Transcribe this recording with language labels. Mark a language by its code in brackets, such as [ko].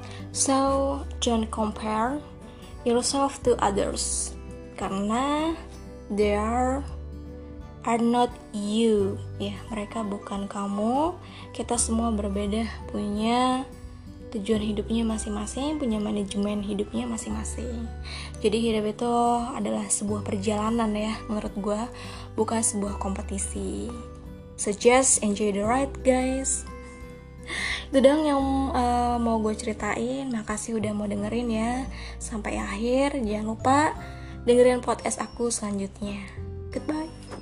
[en] So don't compare yourself to others karena they are not you ya, yeah, [id] mereka bukan kamu. Kita semua berbeda, punya tujuan hidupnya masing-masing, punya manajemen hidupnya masing-masing. Jadi hidup itu adalah sebuah perjalanan ya menurut gue, bukan sebuah kompetisi. [en] So just enjoy the ride guys. [id] Itu dong yang mau gue ceritain. Makasih udah mau dengerin ya sampai akhir. Jangan lupa dengerin podcast aku selanjutnya. Goodbye.